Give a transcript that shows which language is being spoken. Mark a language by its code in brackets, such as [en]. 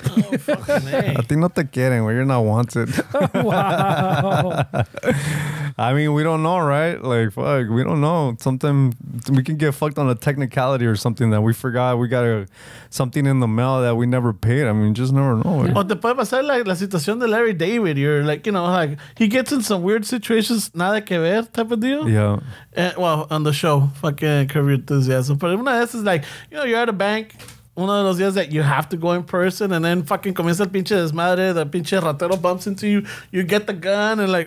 [en] Oh, fucking [es] A ti no te quieren, güey. [en] You're not wanted. Wow. I mean, we don't know, right? Like, fuck, we don't know. Sometimes we can get fucked on a technicality or something that we forgot. We got something in the mail that we never paid. I mean, just never know. Yeah. [es] O te puede pasar la situación de Larry David. [en] You're like, you know, like, he gets in some weird situations, [es] nada que ver [en] type of deal. Yeah. And, well, on the show, fucking Curb Your Enthusiasm. But [es] una de esas, [en] like, you know, you're at a bank. One of those days that you have to go in person, and then fucking [es] comienza el pinche desmadre, [en] the [es] pinche ratero [en] bumps into you, you get the gun, and like,